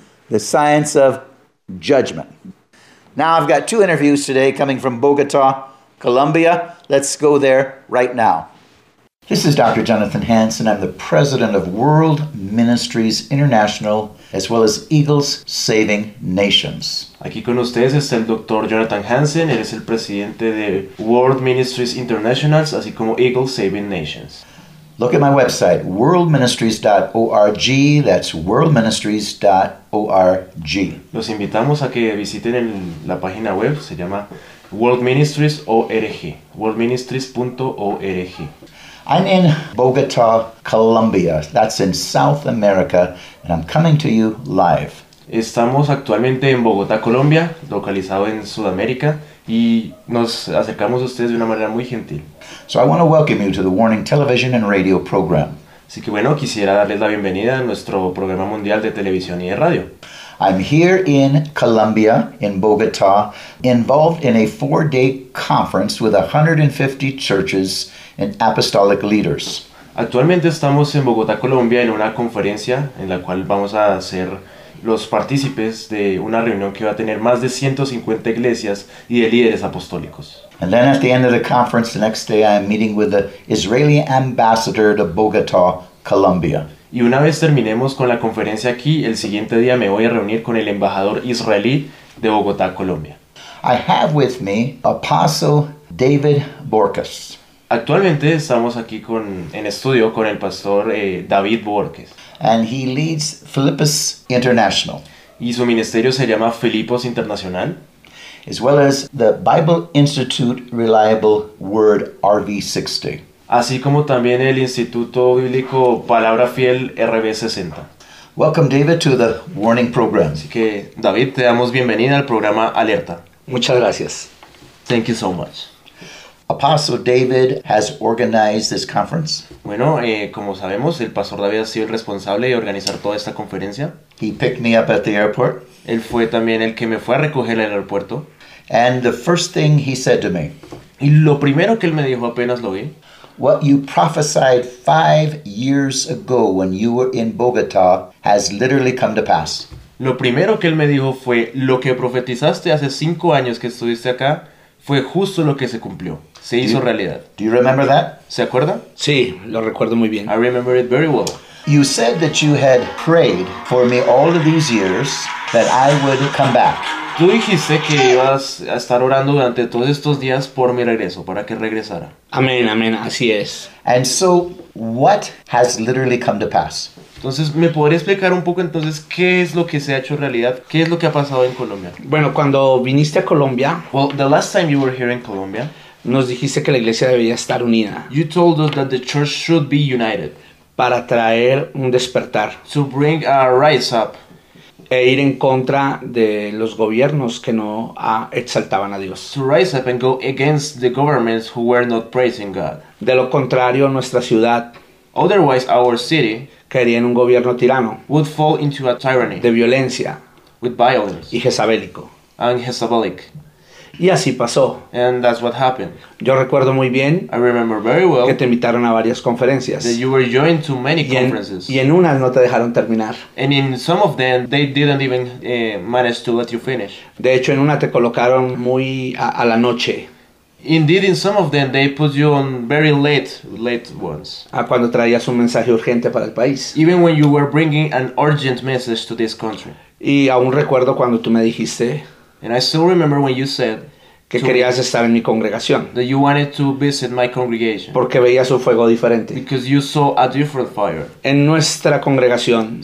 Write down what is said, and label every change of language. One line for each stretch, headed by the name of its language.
English: The science of judgment. Now I've got two interviews today coming from Bogota, Colombia. Let's go there right now. This is Dr. Jonathan Hansen. I'm the president of World Ministries International, as well as Eagles Saving Nations.
Spanish: Aquí con ustedes está el Dr. Jonathan Hansen. Él es el presidente de World Ministries International, así como Eagles Saving Nations.
English: Look at my website, worldministries.org. That's worldministries.org.
Spanish: Los invitamos a que visiten la página web. Se llama worldministries.org. worldministries.org.
English: I'm in Bogota, Colombia. That's in South America, and I'm coming to you live.
Spanish: Estamos actualmente en Bogotá, Colombia, localizado en Sudamérica, y nos acercamos a ustedes de una manera muy gentil.
English: So I want to welcome you to the Warning Television and Radio program.
Spanish: Así que bueno, quisiera darles la bienvenida a nuestro programa mundial de televisión y de radio.
English: I'm here in Colombia, in Bogotá, involved in a 4-day conference with 150 churches and apostolic leaders.
Spanish: Actualmente estamos en Bogotá, Colombia, en una conferencia en la cual vamos a ser los partícipes de una reunión que va a tener más de 150 iglesias y de líderes apostólicos.
English: And then at the end of the conference, the next day, I am meeting with the Israeli ambassador to Bogotá, Colombia.
Spanish: Y una vez terminemos con la conferencia aquí, el siguiente día me voy a reunir con el embajador israelí de Bogotá, Colombia.
English: I have with me Apostle David Borges.
Spanish: Actualmente estamos aquí en estudio con el pastor David Borges.
English: And he leads Philippus International.
Spanish: Y su ministerio se llama Philippus Internacional.
English: As well as the Bible Institute Reliable Word RV60.
Spanish: Así como también el Instituto Bíblico Palabra Fiel RB60.
English: Welcome, David, to the Warning Program.
Spanish: Así que, David, te damos bienvenida al programa Alerta. Muchas gracias.
English: Thank you so much. Apostle David has organized this conference.
Spanish: Bueno, como sabemos, el pastor David ha sido el responsable de organizar toda esta conferencia.
English: He picked me up at the airport.
Spanish: Él fue también el que me fue a recoger al aeropuerto.
English: And the first thing he said to me.
Spanish: Y lo primero que él me dijo apenas lo vi.
English: What you prophesied 5 years ago when you were in Bogotá has literally come to pass.
Spanish: Lo primero que él me dijo fue, lo que profetizaste hace 5 años que estuviste acá, fue justo lo que se cumplió. Se hizo realidad.
English: Do you remember that?
Spanish: ¿Se acuerda? Sí, lo recuerdo muy bien.
English: I remember it very well. You said that you had prayed for me all of these years that I would come back.
Spanish: Tú dijiste que ibas a estar orando durante todos estos días por mi regreso, para que regresara. Amén, amén, así es.
English: And so, what has literally come to pass?
Spanish: Entonces, ¿me podrías explicar un poco entonces qué es lo que se ha hecho realidad? ¿Qué es lo que ha pasado en Colombia? Bueno, cuando viniste a Colombia...
English: Well, the last time you were here in Colombia...
Spanish: Nos dijiste que la iglesia debía estar unida.
English: You told us that the church should be united.
Spanish: Para traer un despertar.
English: To bring a rise up.
Spanish: E ir en contra de los gobiernos que no exaltaban a Dios.
English: To rise up and go against the governments who were not praising God.
Spanish: De lo contrario, nuestra ciudad.
English: Otherwise, our city.
Spanish: Caería en un gobierno tirano.
English: Would fall into a tyranny.
Spanish: De violencia.
English: With violence.
Spanish: Y jezabelico.
English: And jezabelic.
Spanish: Y así pasó.
English: And that's what happened.
Spanish: Yo recuerdo muy bien.
English: I remember very well.
Spanish: Que te invitaron a varias conferencias.
English: That you were joined to many conferences.
Spanish: Y en unas no te dejaron terminar.
English: And in some of them, they didn't even manage to let you finish.
Spanish: De hecho, en una te colocaron muy a la noche.
English: Indeed, in some of them, they put you on very late ones.
Spanish: A cuando traías un mensaje urgente para el país.
English: Even when you were bringing an urgent message to this country.
Spanish: Y aún recuerdo cuando tú me dijiste...
English: And I still remember when you said
Spanish: que querías estar en mi congregación.
English: That you wanted to visit my congregation.
Spanish: Porque veías un fuego diferente.
English: Because you saw a different fire.
Spanish: En nuestra congregación.